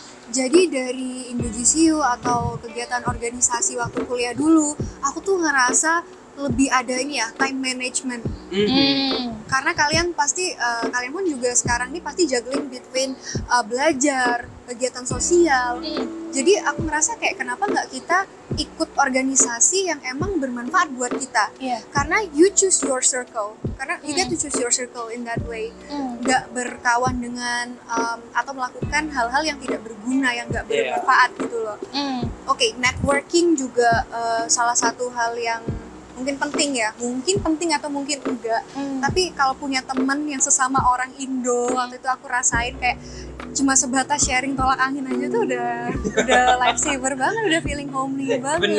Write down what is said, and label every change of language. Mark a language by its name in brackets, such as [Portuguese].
[Indonesian] Jadi dari IndoGCU atau kegiatan organisasi waktu kuliah dulu, aku tuh ngerasa lebih ada ini ya, [English] time management. [Indonesian] Karena kalian pasti, kalian pun juga sekarang ini pasti [English] juggling between [Indonesian] belajar, kegiatan sosial. Jadi aku merasa kayak kenapa nggak kita ikut organisasi yang emang bermanfaat buat kita. Karena [English] you choose your circle, karena you get to choose your circle in that way. [Indonesian] Nggak berkawan dengan atau melakukan hal-hal yang tidak berguna, yang nggak bermanfaat gitu loh. Okay, networking juga salah satu hal yang mungkin penting ya, mungkin penting atau mungkin enggak. Tapi kalau punya teman yang sesama orang Indo, waktu itu aku rasain kayak cuma sebatas sharing tolak angin aja tuh udah lifesaver banget, udah [English] feeling homely [Indonesian] banget.